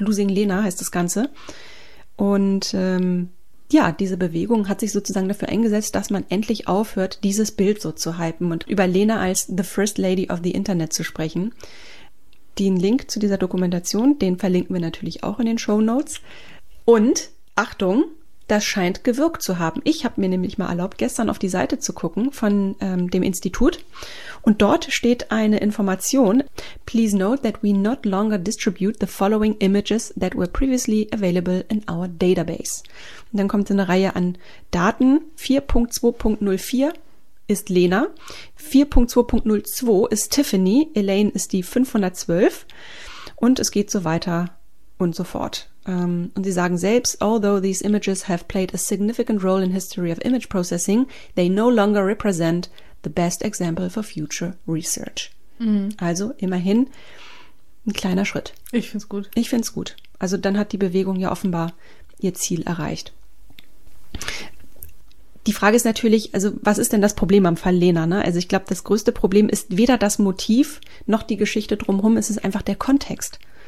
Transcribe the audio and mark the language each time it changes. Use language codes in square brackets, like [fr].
[de] Losing Lena heißt das Ganze. Und diese Bewegung hat sich sozusagen dafür eingesetzt, dass man endlich aufhört, dieses Bild so zu hypen und über Lena als [en] The First Lady of the Internet [de] zu sprechen. Den Link zu dieser Dokumentation, den verlinken wir natürlich auch in den Shownotes. Und Achtung, das scheint gewirkt zu haben. Ich habe mir nämlich mal erlaubt, gestern auf die Seite zu gucken von dem Institut. Und dort steht eine Information. [en] Please note that we not longer distribute the following images that were previously available in our database. [de] Und dann kommt eine Reihe an Daten. 4.2.04 ist Lena. 4.2.02 ist Tiffany. Elaine ist die 512. Und es geht so weiter und so fort. Und sie sagen selbst, [en] although these images have played a significant role in history of image processing, they no longer represent the best example for future research. Mhm. [de] Also immerhin ein kleiner Schritt. Ich find's gut. Also dann hat die Bewegung ja offenbar ihr Ziel erreicht. Die Frage ist natürlich, also was ist denn das Problem am Fall Lena? Ne? Also ich glaube, das größte Problem ist weder das Motiv noch die Geschichte drumherum, es ist einfach der Kontext.